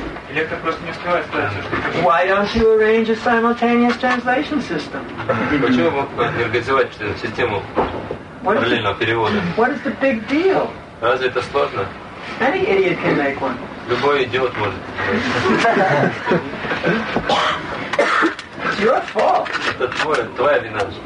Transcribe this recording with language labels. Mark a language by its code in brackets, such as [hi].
[ru] Лектор просто не успевает сказать все, что... [en] Why don't you arrange a simultaneous translation system? [ru] Почему бы не организовать систему... [en] What is the big deal? [ru] Разве это сложно? [en] Any idiot can make one. [ru] Любой идиот может. [en] It's your fault. [ru] Это твоя вина.